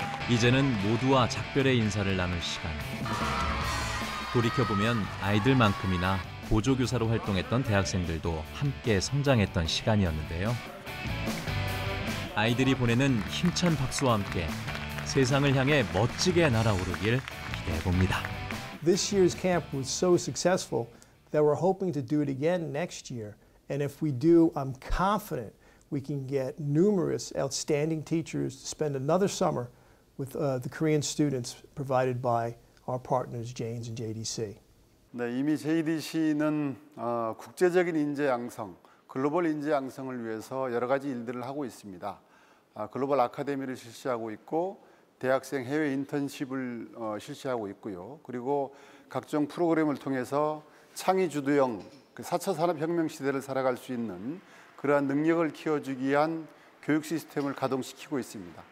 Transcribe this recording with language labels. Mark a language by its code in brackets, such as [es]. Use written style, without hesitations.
[ko] 이제는 모두와 작별의 인사를 나눌 시간. 돌이켜보면 아이들만큼이나 보조교사로 활동했던 대학생들도 함께 성장했던 시간이었는데요. 아이들이 보내는 힘찬 박수와 함께 세상을 향해 멋지게 날아오르길 기대해봅니다. [en] This year's camp was so successful that we're hoping to do it again next year. And if we do, I'm confident we can get numerous outstanding teachers to spend another summer with the Korean students provided by our partners, Jane's and JDC. [ko] 네, 이미 JDC는 국제적인 인재 양성, 글로벌 인재 양성을 위해서 여러 가지 일들을 하고 있습니다. 글로벌 아카데미를 실시하고 있고, 대학생 해외 인턴십을 실시하고 있고요. 그리고 각종 프로그램을 통해서 창의 주도형, 그 4차 산업혁명 시대를 살아갈 수 있는 그러한 능력을 키워주기 위한 교육 시스템을 가동시키고 있습니다.